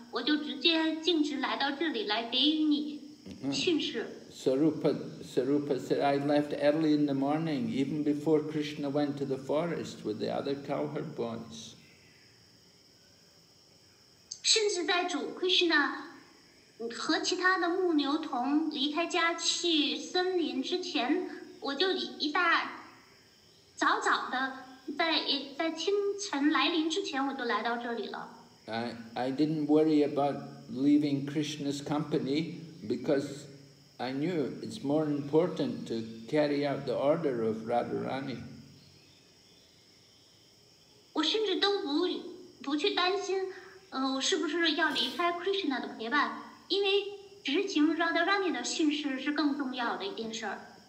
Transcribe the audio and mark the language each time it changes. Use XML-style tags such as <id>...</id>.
<zh>我就直接径直来到这里来给你训示。</zh> <en>Sarupa said, I left early in the morning, even before Krishna went to the forest with the other cowherd boys.</en> <zh>甚至在主 Krishna 和其他的牧牛童离开家去森林之前，我就一大早早的在清晨来临之前，我就来到这里了。</zh> <en>I didn't worry about leaving Krishna's company because I knew it's more important to carry out the order of Radharani.</en> <zh>我甚至都不去担心，我是不是要离开 Krishna 的陪伴，因为执行 Radharani 的训示是更重要的一件事儿。</zh>